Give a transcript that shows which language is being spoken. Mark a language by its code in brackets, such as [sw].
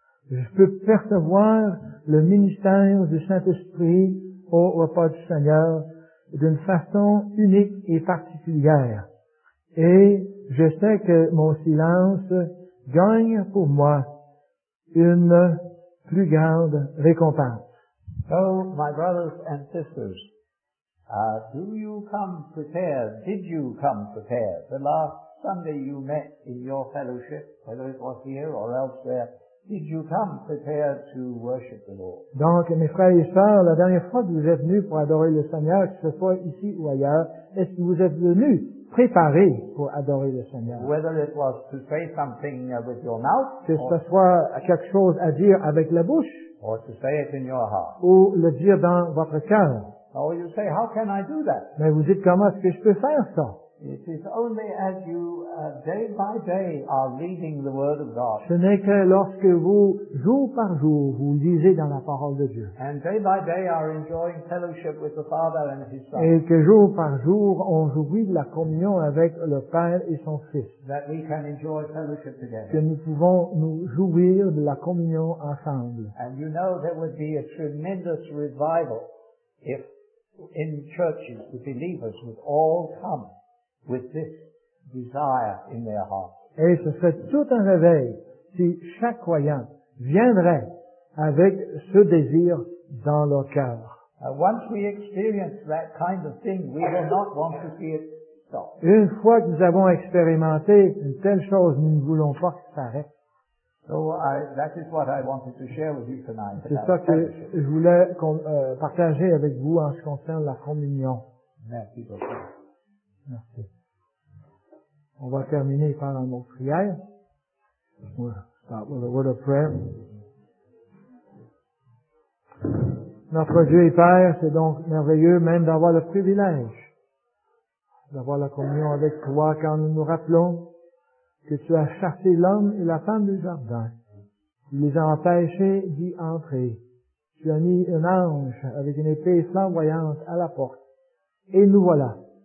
[fr] Je peux percevoir le ministère du Saint-Esprit au repas du Seigneur d'une façon unique et particulière. Et je sais que mon silence gagne pour moi une plus grande récompense. [en] So, my brothers and sisters, do you come prepared, did you come prepared? The last Sunday you met in your fellowship, whether it was here or elsewhere, did you come prepared to worship the Lord? [fr] Donc, mes frères et sœurs, la dernière fois que vous êtes venus pour adorer le Seigneur, que ce soit ici ou ailleurs, est-ce que vous êtes venus préparé pour adorer le Seigneur. [en] Whether it was to say something with your mouth, [fr] que ce soit quelque chose à dire avec la bouche, [en] or to say it in your heart. [fr] Ou le dire dans votre cœur. [en] Or you say, how can I do that? [fr] Mais vous dites, comment est-ce que je peux faire ça? [en] It is only as you day by day are reading the Word of God. [fr] Ce n'est que lorsque vous jour par jour vous lisez dans la parole de Dieu. [en] And day by day are enjoying fellowship with the Father and His Son. [fr] Et que jour par jour on jouit de la communion avec le Père et son Fils. [en] That we can enjoy fellowship together. [fr] Que nous pouvons nous jouir de la communion ensemble. [en] And you know there would be a tremendous revival if in churches the believers would all come with this desire in their heart. [fr] Et ce serait tout un réveil si chaque croyant viendrait avec ce désir dans leur cœur. [en] Once we experience that kind of thing, we will not want to see it stop. [fr] Une fois que nous avons expérimenté une telle chose, nous ne voulons pas que ça s'arrête. [en] So that is what I wanted to share with you tonight. [fr] C'est ça que je voulais partager avec vous en ce qui concerne la communion. Merci beaucoup. Merci. On va terminer par un mot de prière. [en] We'll start with a word of prayer. [fr] Notre Dieu et Père, c'est donc merveilleux même d'avoir le privilège d'avoir la communion avec toi quand nous nous rappelons que tu as chassé l'homme et la femme du jardin. Tu les as empêchés d'y entrer. Tu as mis un ange avec une épée flamboyante à la porte. Et nous voilà.